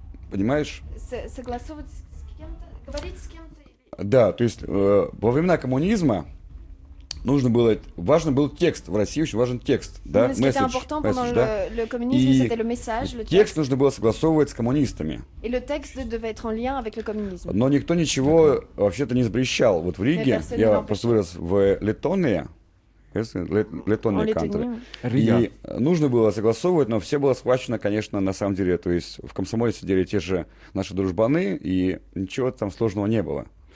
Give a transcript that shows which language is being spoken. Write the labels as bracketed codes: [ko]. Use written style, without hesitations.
[ru] Понимаешь? Согласовывать с кем-то? Говорить с кем-то? Да, то есть во времена коммунизма нужно было, важен был текст в России, очень важен текст, да, месседж, да, и текст нужно было согласовывать с коммунистами. [fr] И le texte devait être en lien avec le communisme. [ru] Но никто ничего вообще-то не запрещал. Вот в Риге, я просто вырос в Литоне, [en] Letonian country. [ru] И нужно было согласовывать, но все было схвачено, конечно, на самом деле. То есть в Комсомоле сидели те же наши дружбаны, и ничего там сложного не было.